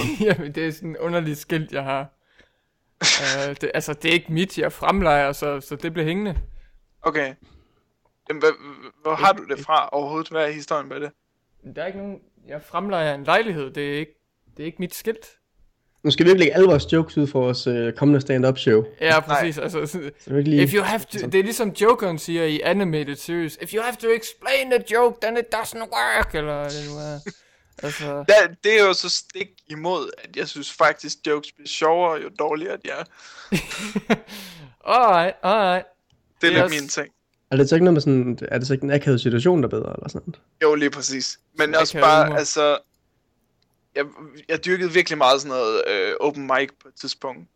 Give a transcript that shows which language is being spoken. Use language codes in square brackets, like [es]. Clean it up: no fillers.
[da] Jamen, det er sådan en underlig skilt, jeg har. Det er ikke mit, jeg fremlejer, så det bliver hængende. Okay. Jamen, hvor har du det fra overhovedet? Hvad er historien med det? Der er ikke nogen... Jeg fremlejer en lejlighed. Det er ikke mit skilt. Nu skal vi ikke lægge alle vores jokes ud for vores kommende stand-up show. Ja, præcis. Altså, det er ligesom Jokeren siger i animated series. [en] If you have to explain the joke, then it doesn't work. [da] Eller noget. Altså... Det er jo så stik imod, at jeg synes faktisk, jokes bliver sjovere, jo dårligere de er. [en] Alright. [da] Det er lidt min ting. Er det så ikke noget med sådan, er det så ikke en akavet situation, der bedre, eller sådan? Jo, lige præcis. Men også bare, humor. Altså, jeg dyrkede virkelig meget sådan noget open mic på et tidspunkt.